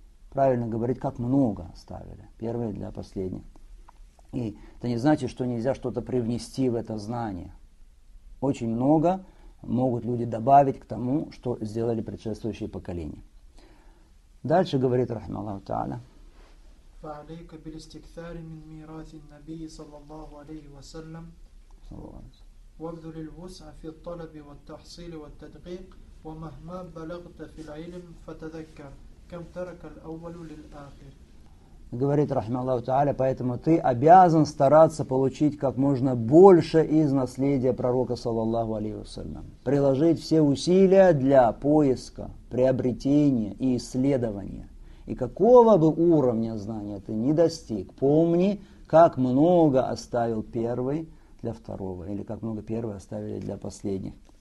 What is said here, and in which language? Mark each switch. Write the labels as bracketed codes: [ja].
[ru] Правильно говорить, как много оставили первые для последних. И это не значит, что нельзя что-то привнести в это знание. Очень много могут люди добавить к тому, что сделали предшествующие поколения. Дальше говорит рахмаллаху тааля. [ar] فعليك بالاستكثار من ميراث النبي صلى الله عليه وسلم وابذل الوسع في الطلب والتحصيل والتدقيق ومهما بلغت في العلم فتذكر كم ترك الأول للآخر. [ru] Говорит [ar] رحمه الله تعالى, [ru] поэтому ты обязан стараться получить как можно больше из наследия пророка [ar] صلى الله عليه وسلم. [ru] Приложить все усилия для поиска, приобретения и исследования. И какого бы уровня знания ты ни достиг, помни, как много оставил первый для второго, или как много первый оставили для последних.